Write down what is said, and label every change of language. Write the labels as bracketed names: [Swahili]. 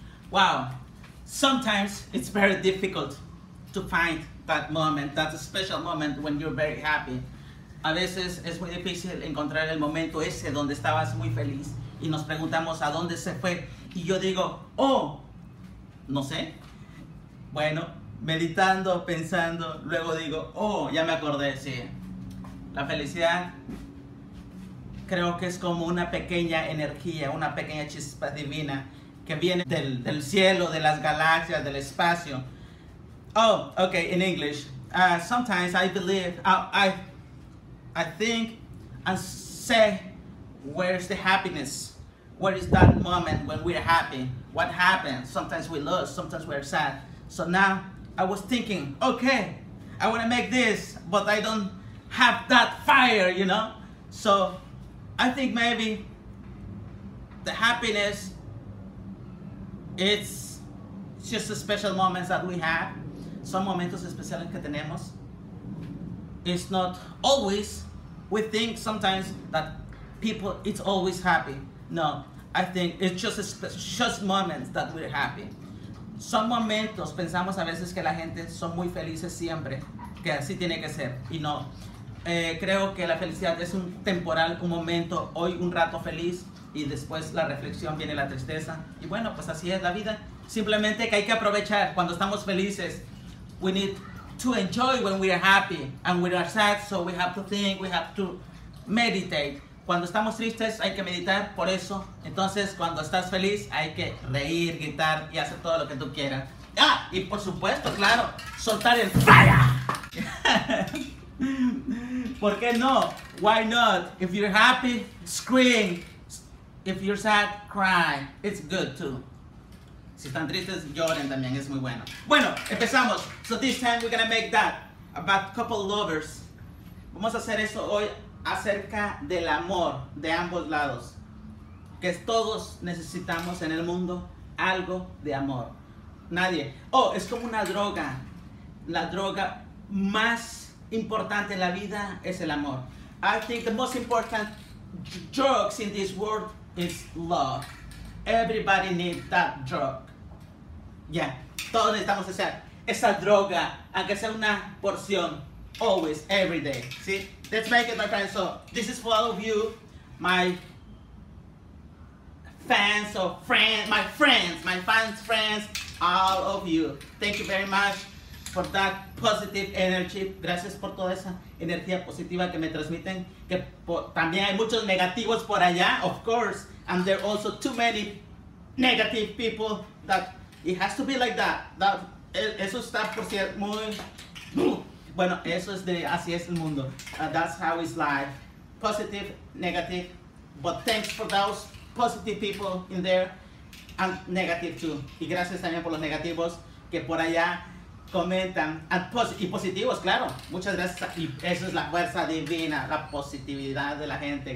[English] Wow, sometimes it's very difficult to find that moment, that special moment when you're very happy. [Spanish] A veces es muy difícil encontrar el momento ese donde estabas muy feliz y nos preguntamos a dónde se fue. Y yo digo, oh, no sé. Bueno, meditando, pensando, luego digo, oh, ya me acordé, sí. La felicidad creo que es como una pequeña energía, una pequeña chispa divina que viene del cielo, de las galaxias, del espacio. [English] Oh, okay, in English. Sometimes I believe, I think and say, where is the happiness? Where is that moment when we're happy? What happened? Sometimes we lose, sometimes we're sad. So now I was thinking, okay, I want to make this, but I don't have that fire, you know? So I think maybe the happiness, it's just the special moments that we have. [Spanish] Some momentos especiales que tenemos. [English] It's not always, we think sometimes that people, it's always happy. No, I think it's just moments that we're happy. [Spanish] Some momentos pensamos a veces que la gente son muy felices siempre, que así tiene que ser, y no. Creo que la felicidad es un temporal, un momento, hoy un rato feliz, y después la reflexión viene la tristeza. Y bueno, pues así es la vida. Simplemente que hay que aprovechar cuando estamos felices. [English] We need to enjoy when we are happy and we are sad, so we have to think, we have to meditate. [Spanish] Cuando estamos tristes hay que meditar, por eso. Entonces, cuando estás feliz hay que reír, gritar y hacer todo lo que tú quieras. ¡Ah! Y por supuesto, claro, soltar el fire. ¿Por qué no? [English] Why not? If you're happy, scream. If you're sad, cry. It's good too. [Spanish] Si están tristes, lloren también, es muy bueno. Bueno, empezamos. [English] So this time we're gonna make that about couple lovers. [Spanish] Vamos a hacer eso hoy acerca del amor de ambos lados. Que todos necesitamos en el mundo algo de amor. Nadie. Oh, es como una droga. La droga más importante en la vida es el amor. [English] I think the most important drugs in this world is love. Everybody needs that drug. [Spanish] Yeah, todos necesitamos esa droga, aunque sea una porción, [English] always, every day, [Spanish] ¿sí? [English] Let's make it, my friends. So, this is for all of you, my fans or friends, my fans, all of you. Thank you very much for that positive energy. [Spanish] Gracias por toda esa energía positiva que me transmiten. Que también hay muchos negativos por allá, [English] of course, and there are also too many negative people that... It has to be like that. [Spanish] Eso está por cierto muy... Bueno, eso es de... Así es el mundo. [English] That's how it's life. Positive, negative. But thanks for those positive people in there. And negative too. [Spanish] Y gracias también por los negativos que por allá comentan. And y positivos, claro. Muchas gracias. Y eso es la fuerza divina, la positividad de la gente.